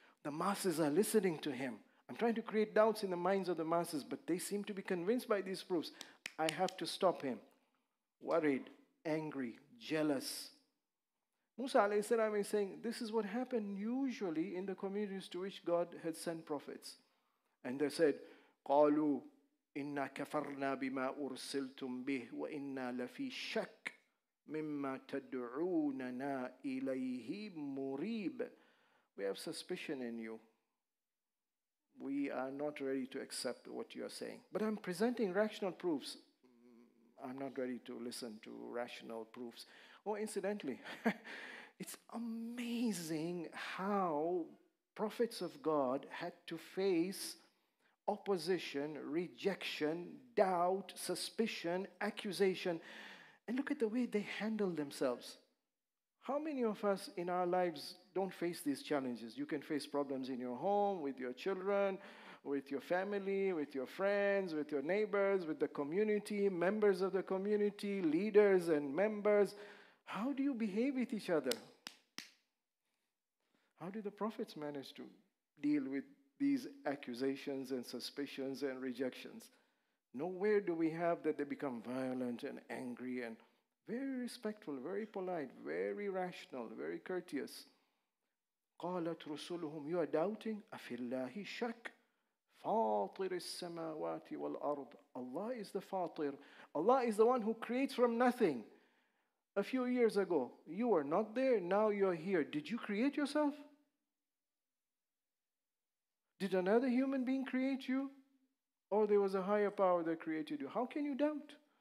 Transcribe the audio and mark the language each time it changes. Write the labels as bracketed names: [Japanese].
[English] The masses are listening to him. I'm trying to create doubts in the minds of the masses, but they seem to be convinced by these proofs. I have to stop him. Worried, angry, jealous. Musa alayhi salam is saying, this is what happened usually in the communities to which God had sent prophets. And they said, [Arabic] قَالُوا إِنَّا كَفَرْنَا بِمَا أُرْسِلْتُمْ بِهِ وَإِنَّا لَفِي شَكٍ مِمَّا تَدْعُونَنَا إِلَيْهِ مُرِيبٍ. [English] We have suspicion in you. We are not ready to accept what you are saying. But I'm presenting rational proofs. I'm not ready to listen to rational proofs. Oh, incidentally, it's amazing how prophets of God had to face opposition, rejection, doubt, suspicion, accusation. And look at the way they handle themselves. How many of us in our lives don't face these challenges? You can face problems in your home, with your children, with your family, with your friends, with your neighbors, with the community, members of the community, leaders and members. How do you behave with each other? How did the prophets manage to deal with these accusations and suspicions and rejections? Nowhere do we have that they become violent and angry and very respectful, very polite, very rational, very courteous. [Arabic] قالت رسلهم, [English] you are doubting, [Arabic] أفي الله شك, فاطر السماوات والأرض. [English] Allah is the فاطر. Allah is the one who creates from nothing. A few years ago, you were not there, now you are here. Did you create yourself? Did another human being create you? Or there was a higher power that created you? How can you doubt?